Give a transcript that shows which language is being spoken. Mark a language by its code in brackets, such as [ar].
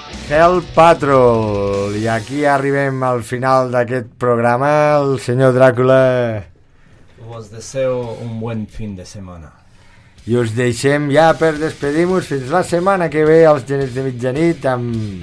[ca] El Patrol, i aquí arribem al final d'aquest programa. El senyor Dràcula, [es] us deseo un buen fin de semana [ca] i us deixem ja per despedir-vos fins la setmana que ve als Genets de Mitjanit amb